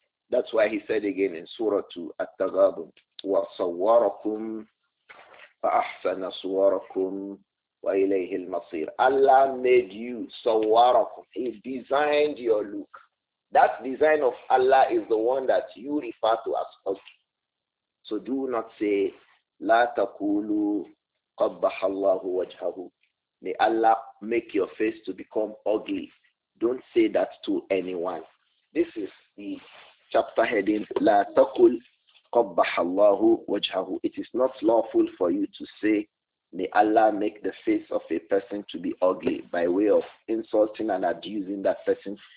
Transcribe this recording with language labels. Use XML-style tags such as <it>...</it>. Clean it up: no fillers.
<en>That's why he said again in Surah 2, At-Taghabun,</en> <ar>وَصَوَّرَكُمْ فَأَحْسَنَ صُوَرَكُمْ وَإِلَيْهِ الْمَصِيرِ.</ar> <en>Allah made you, صَوَّرَكُمْ. He designed your look. That design of Allah is the one that you refer to as ugly. So do not say,</en> <ar>لَا تَقُولُ قَبَّحَ اللَّهُ وَجْهَهُ.</ar> <en>May Allah make your face to become ugly. Don't say that to anyone. This is the chapter heading,</en> <ar>لَا تَقُلْ قَبَّحَ اللَّهُ وَجْهَهُ.</ar> <en>It is not lawful for you to say, may Allah make the face of a person to be ugly, by way of insulting and abusing that person.</en>